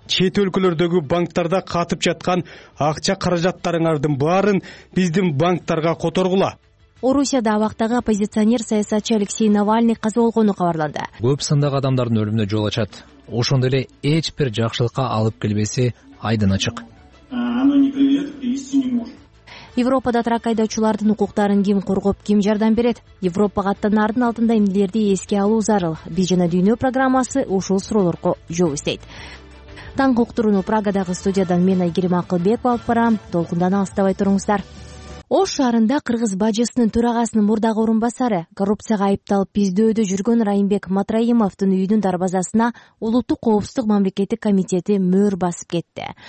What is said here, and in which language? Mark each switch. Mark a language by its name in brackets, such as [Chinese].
[Kyrgyz] Чет өлкөлөрдөгү банктарда катып жаткан акча каражаттарыңардын баарын биздин банктарга которгула. Орусияда абактагы оппозиционер саясатчы Алексей Навальный каза болгону кабарланды. Көп сандагы адамдардын өлүмүнө жол ачат. Ошондой эле эч бир жакшылыкка алып келбеси айдын ачык. [Russian] Оно не приведет к истине муж. [Kyrgyz] Европада трак айдоочулардын укуктарын ким коргоп, ким жардам берет? Европага аттанардын алдында эмнелерди эске алуу зарыл? Биз жана дүйнө программасы ушул суроолорго жооп издейт. Таңкы уктурууну Прагадагы студиядан мен Айгерим Акылбеков алып барам. Толкундан алыстабай туруңуздар. Ош шаарында кыргыз бажысынын төрагасынын мурдагы орун басары, коррупцияга айыпталып издөөдө жүргөн Райымбек Матраимовдун үйүнүн дарбазасына Улуттук Коопсуздук Мамлекеттик комитети мөр басып кетти.